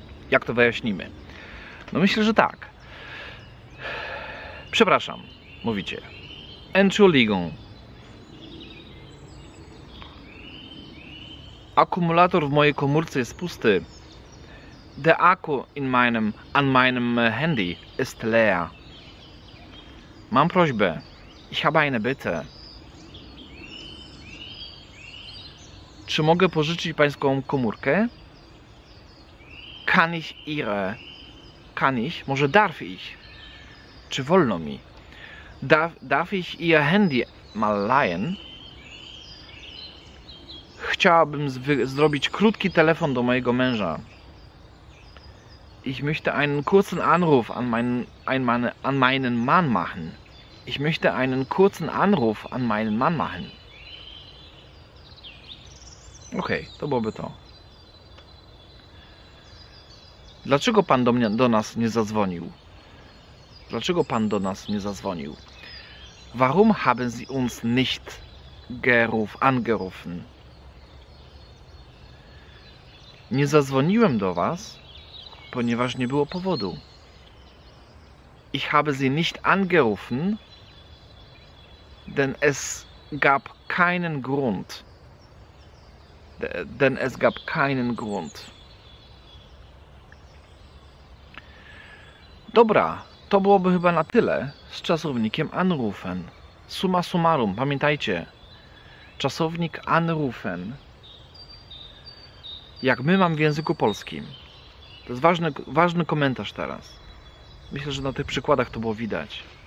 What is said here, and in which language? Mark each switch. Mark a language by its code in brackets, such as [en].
[pl] Jak to wyjaśnimy? No myślę, że tak. Przepraszam, mówicie. [de] Entschuldigung. [pl] Akumulator w mojej komórce jest pusty. [de] Der Akku an meinem Handy ist leer. [pl] Mam prośbę. [de] Ich habe eine Bitte. [pl] czy mogę pożyczyć pańską komórkę? [de] Kann ich ihre? Kann ich? [pl] Może [de] darf ich? [pl] Czy wolno mi? [de] Darf ich ihr Handy mal leihen? [pl] Chciałabym zrobić krótki telefon do mojego męża. [de] Ich möchte einen kurzen Anruf an meinen Mann machen. Ich möchte einen kurzen Anruf an meinen Mann machen. [pl] Okej, okay, to byłoby to. Dlaczego pan do nas nie zadzwonił? Dlaczego pan do nas nie zadzwonił? [de] Warum haben Sie uns nicht angerufen? [pl] Nie zadzwoniłem do was, ponieważ nie było powodu. [de] Ich habe Sie nicht angerufen, denn es gab keinen Grund. Denn es gab keinen Grund. [pl] Dobra, to byłoby chyba na tyle z czasownikiem anrufen. Summa summarum, pamiętajcie, czasownik anrufen, jak my mamy w języku polskim. To jest ważny komentarz teraz. Myślę, że na tych przykładach to było widać.